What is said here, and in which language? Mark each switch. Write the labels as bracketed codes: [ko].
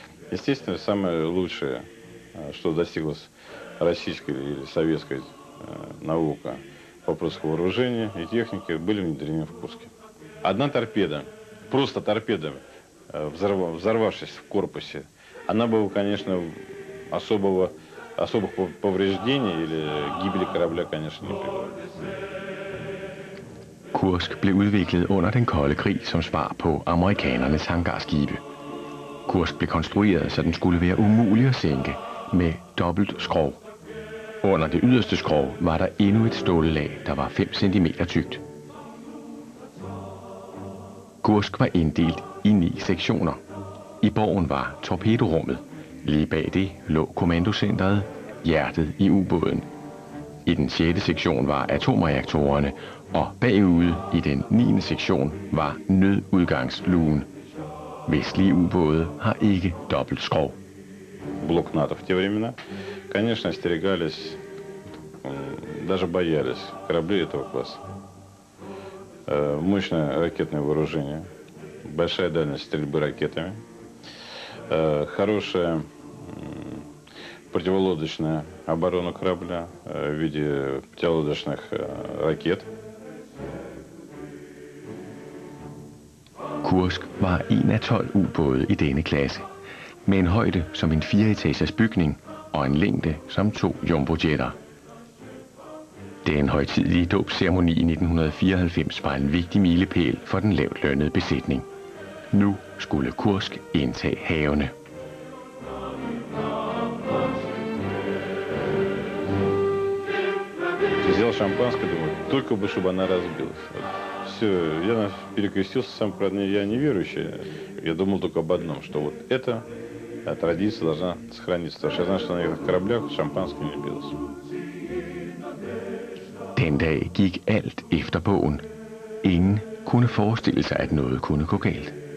[ru] Естественно, самое лучшее, что достиглось российская или советская наука по вопросу вооружения и техники были внедрены в Курске. Одна торпеда, просто торпеда, взорвавшись в корпусе, она бы, конечно, особых повреждений или гибели корабля, конечно, не привела. [da] Курск blev udviklet under den kolde krig som svar på amerikanernes hangarskibe. Курск blev konstrueret, så den skulle være umulig at sænke med dobbelt skrov. Under det yderste skrog var der endnu et stållag, der var 5 cm tykt. Kursk var inddelt i 9 sektioner. I borgen var torpedorummet. Lige bag det lå kommandocentret, hjertet i ubåden. I den 6. sektion var atomreaktorerne, og bagude i den 9. sektion var nødudgangslugen. Vestlige ubåde har ikke dobbelt skrog. [ru] Blok NATO в те времена, конечно, остерегались, даже боялись кораблей этого класса. Мощное ракетное вооружение, большая дальность стрельбы ракетами, хорошая противолодочная оборона корабля в виде противолодочных ракет. [da] Курск var en af 12 ubåde i denne klasse, med en højde som en 4-etagers bygning og en længde som 2 jumbojetter. Den højtidlige dåbsceremoni i 1994 var en vigtig milepæl for den lavt lønnede besætning. Nu skulle Kursk indtage havene. [ru] Взял шампанское, думаю, только бы, чтобы она разбилась. Вот. Все, я перекрестился сам, правда, я не верующий. Я думал только об одном, что вот эта традиция должна сохраниться. Потому что я знаю, что на этих кораблях шампанское не билось. [da] Den dag gik alt efter bogen. Ingen kunne forestille sig, at noget kunne gå galt.